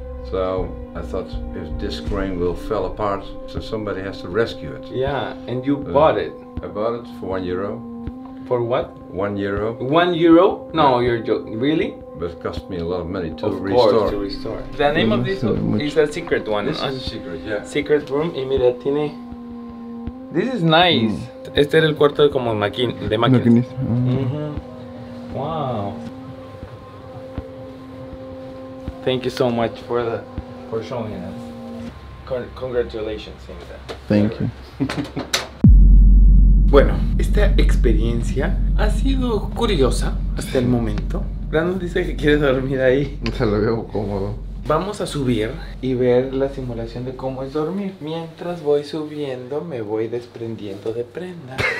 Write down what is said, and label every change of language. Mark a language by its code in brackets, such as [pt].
[en] So I thought if this crane will fall apart, so somebody has to rescue it. Yeah, and you bought it. I bought it for €1. For what? €1. €1? No, yeah. You're joking. Really? But it cost me a lot of money to of restore. Of course, to restore. The name of this is a secret one. This is a secret, yeah. Secret room. [es] Y mira, tiene... [en] This is nice. Mm. [es] Este era el cuarto como de máquinas. Mm-hmm. [en] Wow. Thank you so much for showing us. Congratulations, Inga. Thank you. [es] Bueno, esta experiencia ha sido curiosa hasta el momento. Brandon dice que quiere dormir ahí. Se lo veo cómodo. Vamos a subir y ver la simulación de cómo es dormir. Mientras voy subiendo, me voy desprendiendo de prenda.